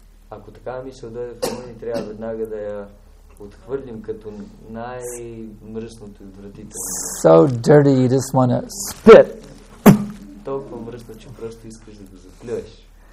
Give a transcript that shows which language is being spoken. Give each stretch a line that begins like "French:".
Bulgarian: Ако така мисъл дойде в мене, трябва веднага да я отхвърлим като най-мръсното и отвратително.
English: So dirty, you just want to spit.
Bulgarian: Толкова мръсно, че просто искаш да го заплюеш.